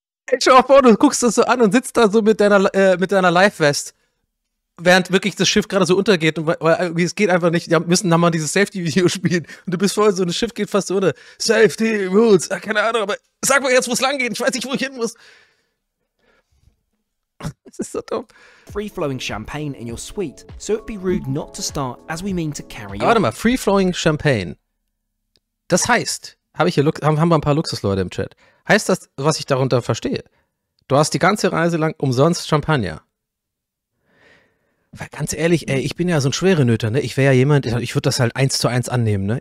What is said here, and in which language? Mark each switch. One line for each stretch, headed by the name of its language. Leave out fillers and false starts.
German: Ich schau mal vor, du guckst das so an und sitzt da so mit deiner Live-Vest, während wirklich das Schiff gerade so untergeht, und weil es geht einfach nicht, wir müssen dann mal dieses Safety-Video spielen und du bist vorher so, das Schiff geht fast ohne. Safety rules, ja, keine Ahnung, aber sag mal jetzt, wo es lang geht, ich weiß nicht, wo ich hin muss. Das ist so dumm.
English: Free-flowing champagne in your suite, so it'd be rude not to start, as we mean to carry on.
German: Warte mal,
English: free-flowing champagne.
German: Das heißt, haben wir ein paar Luxusleute im Chat. Heißt das, was ich darunter verstehe? Du hast die ganze Reise lang umsonst Champagner. Weil ganz ehrlich, ey, ich bin ja so ein Schwerenöter, ne? Ich wäre ja jemand, ich würde das halt 1:1 annehmen, ne?